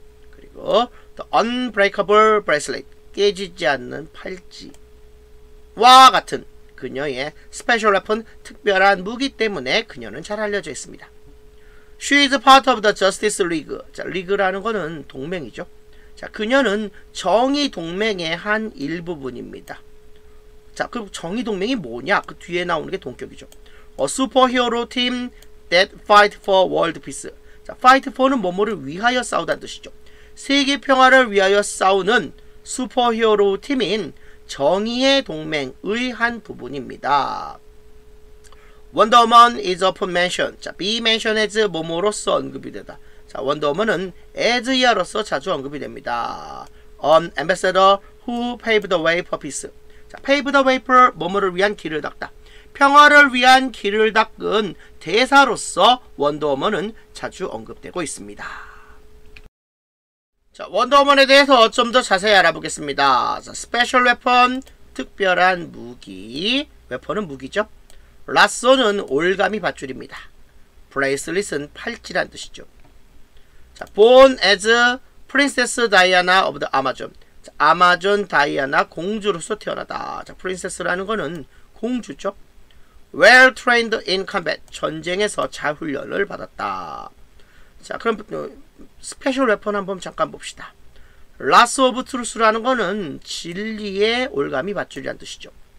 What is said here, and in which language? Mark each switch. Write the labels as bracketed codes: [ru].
[ko] 그리고 [en] The unbreakable bracelet, [ko] 깨지지 않는 팔찌와 같은 그녀의 스페셜 웨폰, 특별한 무기 때문에 그녀는 잘 알려져 있습니다. [en] She is part of the Justice League. [ko] 자, 리그라는 거는 동맹이죠. 자, 그녀는 정의 동맹의 한 일부분입니다. 자, 그럼 정의 동맹이 뭐냐? 그 뒤에 나오는 게 동격이죠. [en] A superhero team that fight for world peace. [ko] 자, fight for는 뭐뭐를 위하여 싸우다는 뜻이죠. 세계 평화를 위하여 싸우는 superhero 팀인 정의의 동맹의 한 부분입니다. [en] Wonder Woman is often mentioned. 자, be mentioned as [ko] 뭐뭐로서 언급이 되다. 자, Wonder Woman은 as 이하로서 자주 언급이 됩니다. [en] An ambassador who paved the way for peace. 자, paved the way for [ko] 뭐뭐를 위한 길을 닦다. 평화를 위한 길을 닦은 대사로서 원더우먼은 자주 언급되고 있습니다. 자, 원더우먼에 대해서 좀 더 자세히 알아보겠습니다. 자, 스페셜 웨폰, 특별한 무기. 웨폰은 무기죠. 라쏘는 올가미 밧줄입니다. 브레이슬릿은 팔찌란 뜻이죠. [en] 자, born as Princess Diana of the Amazon. [ko] 자, 아마존 다이아나 공주로서 태어나다. 자, 프린세스라는 거는 공주죠. [en] Well trained in combat. [ko] 전쟁에서 잘 훈련을 받았다. 자, 그럼 스페셜 웨폰 한번 잠깐 봅시다. Lasso of Truth라는 거는 진리의 올가미 밧줄이란 뜻이죠.